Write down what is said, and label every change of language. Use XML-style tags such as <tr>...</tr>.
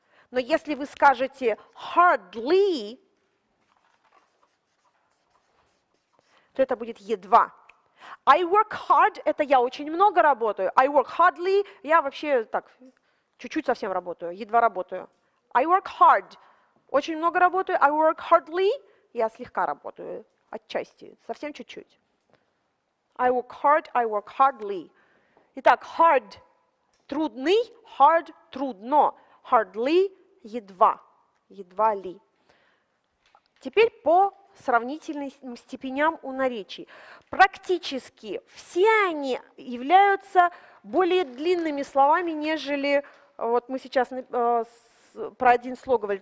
<ru>Но если вы скажете hardly, то это будет едва.</ru> <en>I work hard</en> <ru>– это я очень много работаю.</ru> <en>I work hardly</en> <ru>– я вообще так, чуть-чуть совсем работаю, едва работаю.</ru> <en>I work hard</en> <ru>– очень много работаю.</ru> <en>I work hardly</en> <ru>– я слегка работаю, отчасти, совсем чуть-чуть.</ru> <en>I work hard – I work hardly.</en> <ru>Итак, hard – трудный, hard – трудно. Hardly – едва, едва ли. Теперь по сравнительным степеням у наречий. Практически все они являются более длинными словами, нежели вот мы сейчас про один слог говорили.</ru>